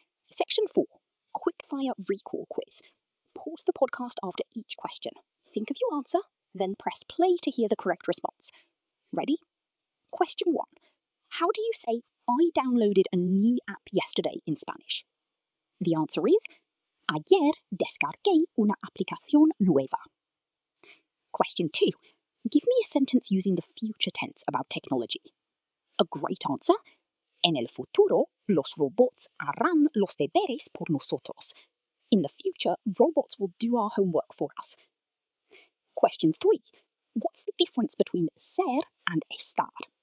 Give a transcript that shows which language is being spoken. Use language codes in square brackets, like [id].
[en] Section 4, quickfire recall quiz. Pause the podcast after each question. Think of your answer, then press play to hear the correct response. Ready? Question 1, how do you say I downloaded a new app yesterday in Spanish? The answer is [es] ayer descargué una aplicación nueva. [en] Question 2. Give me a sentence using the future tense about technology. A great answer. [es] En el futuro, los robots harán los deberes por nosotros. [en] In the future, robots will do our homework for us. Question 3. What's the difference between ser and estar?